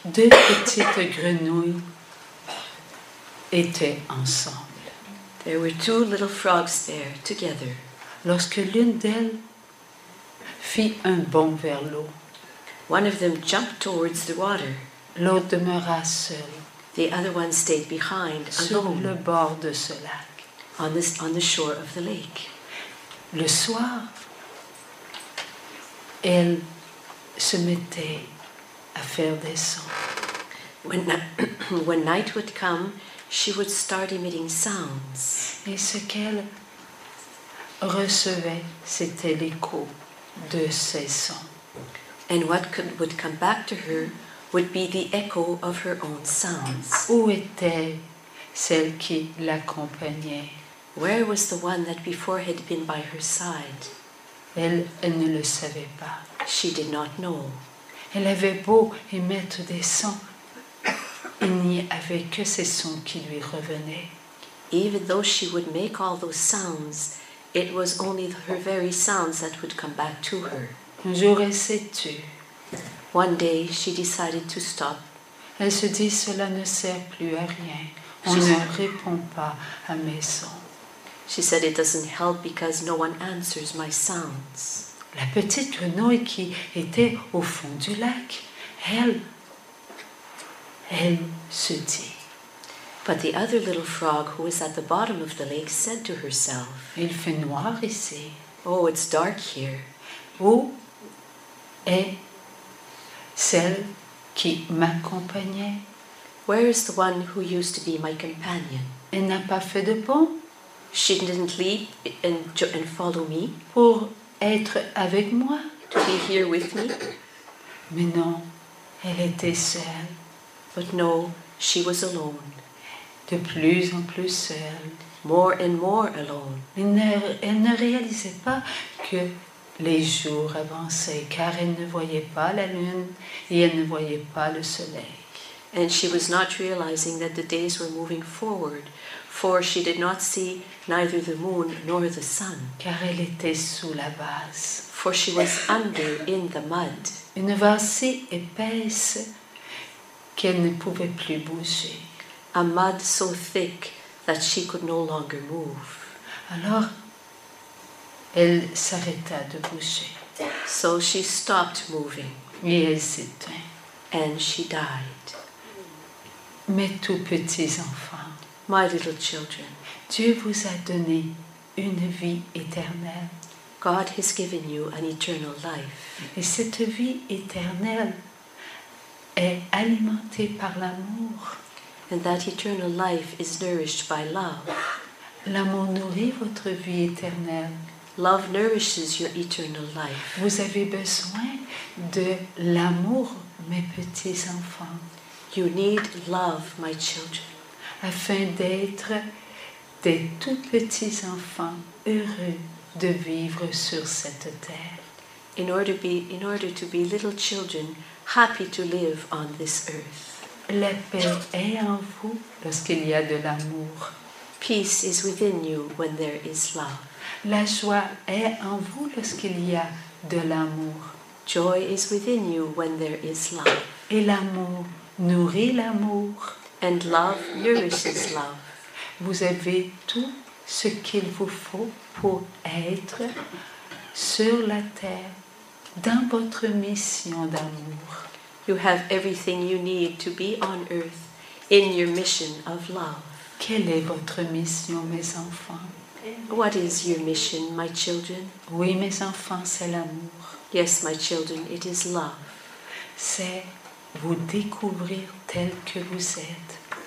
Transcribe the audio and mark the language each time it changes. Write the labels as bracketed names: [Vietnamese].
[French] deux petites grenouilles étaient ensemble. [English] There were two little frogs there together. [French] Lorsque l'une d'elles fit un bond vers l'eau, [English] one of them jumped towards the water. [French] L'autre demeura seule. [English] The other one stayed behind, [French] sur [English] alone, [French] le bord de ce lac, [English] on the shore of the lake. [French] Le soir, elle se mettait à faire des sons. [English] When night would come, she would start emitting sounds. [French] Et ce qu'elle recevait, c'était l'écho de ces sons. [English] And what would come back to her would be the echo of her own sounds. [French] Où était celle qui l'accompagnait? [English] Where was the one that before had been by her side? [French] Elle ne le savait pas. [English] She did not know. [French] Elle avait beau émettre des sons, il n'y avait que ces sons qui lui revenaient. [English] Even though she would make all those sounds, it was only her very sounds that would come back to her. [French] Un jour, elle s'est tue. [English] One day, she decided to stop. [French] Elle se dit, cela ne sert plus à rien. On ne répond pas à mes sons. [English] She said, it doesn't help because no one answers my sounds. [French] La petite grenouille qui était au fond du lac, elle se dit. [English] But the other little frog who was at the bottom of the lake said to herself, [French] il fait noir ici. [English] Oh, it's dark here. [French] Où est celle qui m'accompagnait? [English] Where is the one who used to be my companion? [French] Elle n'a pas fait de pont. [English] She didn't leap and follow me. [French] Pour être avec moi. [English] To be here with me. [French] Mais non, elle était seule. [English] But no, she was alone. [French] De plus en plus seule. [English] More and more alone. [French] Elle ne réalisait pas que les jours avançaient, car elle ne voyait pas la lune et elle ne voyait pas le soleil. [English] And she was not realizing that the days were moving forward, for she did not see neither the moon nor the sun. [French] Car elle était sous la vase. [English] For she was under, in the mud. [French] Une vase si épaisse qu'elle ne pouvait plus bouger. [English] A mud so thick that she could no longer move. [French] Alors, elle s'arrêta de bouger. [English] So she stopped moving. [French] Et elle s'éteint. [English] And she died. [French] Mes tout petits enfants. [English] My little children. [French] Dieu vous a donné une vie éternelle. [English] God has given you an eternal life. [French] Et cette vie éternelle est alimentée par l'amour. [English] And that eternal life is nourished by love. [French] L'amour nourrit votre vie éternelle. [English] Love nourishes your eternal life. [French] Vous avez besoin de l'amour, mes petits enfants. [English] You need love, my children. [French] Afin d'être des tout petits enfants heureux de vivre sur cette terre. [English] In order to be little children happy to live on this earth. [French] La paix est en vous lorsqu'il y a de l'amour. [English] Peace is within you when there is love. [French] La joie est en vous lorsqu'il y a de l'amour. [English] Joy is within you when there is love. [French] Et l'amour nourrit l'amour. [English] And love nourishes love. [French] Vous avez tout ce qu'il vous faut pour être sur la terre dans votre mission d'amour. [English] You have everything you need to be on earth in your mission of love. [French] Quelle est votre mission, mes enfants? [English] What is your mission, my children? [French] Oui, mes enfants, c'est l'amour. [English] Yes, my children, it is love. [French] C'est vous découvrir tel que vous êtes.